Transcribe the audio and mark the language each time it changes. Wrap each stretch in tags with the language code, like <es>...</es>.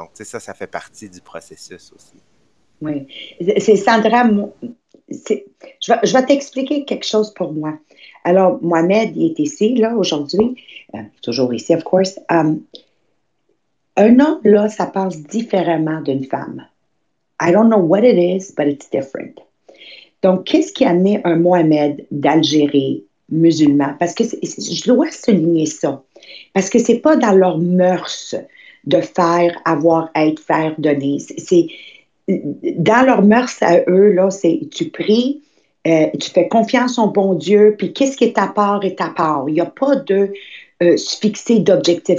<fr>Donc, tu sais, ça fait partie du processus aussi. Oui, c'est Sandra. Je vais t'expliquer quelque chose pour moi. Alors, Mohamed, il est ici, là, aujourd'hui. Toujours ici, of course. Un homme, là, ça pense différemment d'une femme.</fr> <en>I don't know what it is, but it's different.</en> <fr>Donc, qu'est-ce qui a amené un Mohamed d'Algérie musulman? Parce que je dois souligner ça. Parce que c'est pas dans leurs mœurs de faire, avoir, être, faire, donner. Dans leurs mœurs à eux, là, c'est tu pries, tu fais confiance au bon Dieu, puis qu'est-ce qui est ta part est ta part. Il n'y a pas de se fixer d'objectif.</fr>